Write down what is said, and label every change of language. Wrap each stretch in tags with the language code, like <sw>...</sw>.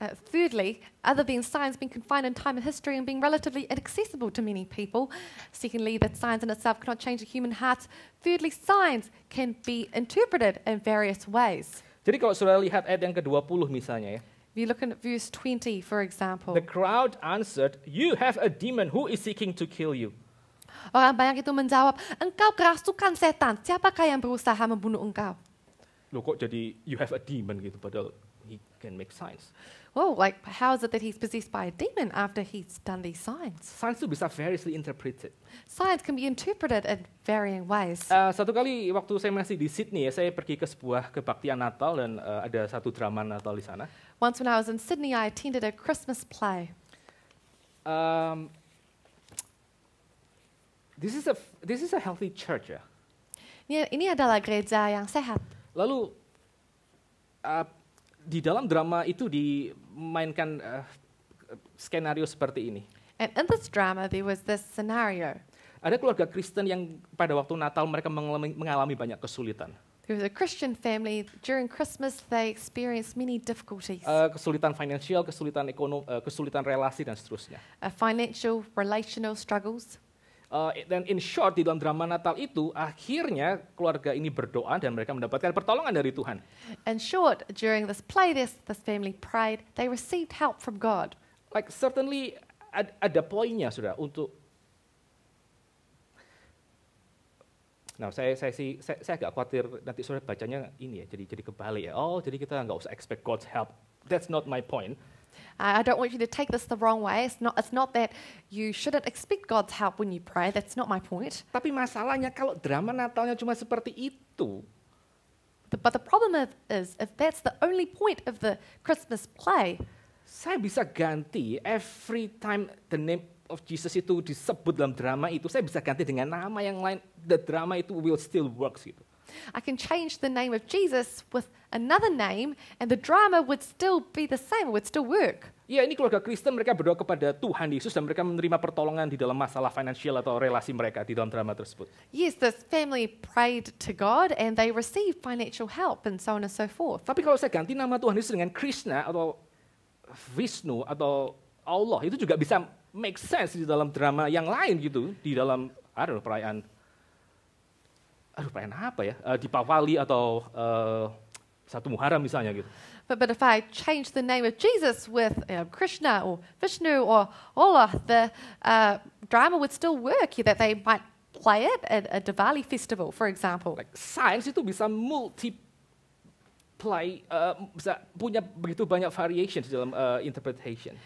<en>Thirdly, other than signs being confined in time and history and being relatively inaccessible to many people, secondly, that signs in itself cannot change a human heart, thirdly, signs can be interpreted in various ways.</en> <id>Jadi kalau sudah lihat ayat yang ke-20 misalnya ya.</id> <en>If you look at verse 20, for example. The crowd answered, you have a demon, who is seeking to kill you?</en> <id>Orang banyak itu menjawab, engkau kerasukan setan. Siapakah yang berusaha membunuh engkau? Loh, kok jadi</id> <en>you have a demon</en> <id>gitu, padahal</id> <en>he can make signs. Oh, like how is it that he's possessed by a demon after he's done these signs? Signs</en> <id>itu bisa</id> <en>variously interpreted. Signs can be interpreted in varying ways.</en> <id>Satu kali waktu saya masih di Sydney, ya, saya pergi ke sebuah kebaktian Natal dan ada satu drama Natal di sana.</id> <en>Once when I was in Sydney, I attended a Christmas play. This is a healthy church, ya.</en> <id>Yeah, ini adalah gereja yang sehat. Lalu di dalam drama itu dimainkan skenario seperti ini.</id> <en>And in this drama there was this scenario.</en> <id>Ada keluarga Kristen yang pada waktu Natal mereka mengalami banyak kesulitan.</id> <en>There was a Christian family during Christmas they experienced many difficulties.</en> <id>Kesulitan finansial, kesulitan ekonomi, kesulitan relasi dan seterusnya.</id> <en>Financial, relational struggles.</en> <id>Dan</id> <en>in short,</en> <id>di dalam drama Natal itu, akhirnya keluarga ini berdoa dan mereka mendapatkan pertolongan dari Tuhan.</id> <en>In short, during this play, this family prayed, they received help from God.</en> <id>Like, certainly ada poinnya, saudara, untuk... Nah, saya agak khawatir nanti saudara bacanya ini ya, jadi kebalik ya. Oh, jadi kita nggak usah</id> <en>expect God's help. That's not my point. I don't want you to take this the wrong way. It's not that you shouldn't expect God's help when you pray. That's not my point.</en> <id>Tapi masalahnya kalau drama Natalnya cuma seperti itu.</id> <en>But the problem is if that's the only point of the Christmas play.</en> <id>Saya bisa ganti</id> <en>every time the name of Jesus</en> <id>itu disebut dalam drama itu, saya bisa ganti dengan nama yang lain.</id> <en>The drama itu will still works gitu. I can change the name of Jesus with another name and the drama would still be the same, would still work.</en> <id>Yeah, ini keluarga Kristen mereka berdoa kepada Tuhan Yesus dan mereka menerima pertolongan di dalam masalah finansial atau relasi mereka di dalam drama tersebut.</id> <en>Yes, this family prayed to God and they received financial help and so on and so forth.</en> <id>Tapi kalau saya ganti nama Tuhan Yesus dengan Krishna atau Vishnu atau Allah, itu juga bisa</id> <en>make sense</en> <id>di dalam drama yang lain gitu, di dalam perayaan. Aduh, pengen apa ya? Dipawali atau satu Muharram misalnya gitu.</id> <en>But if I change the name of Jesus with Krishna or Vishnu or Allah, the drama would still work. That they might play it at a Diwali festival, for example.</en> <id>Like science itu bisa multiply, bisa punya begitu banyak variations dalam interpretation.</id>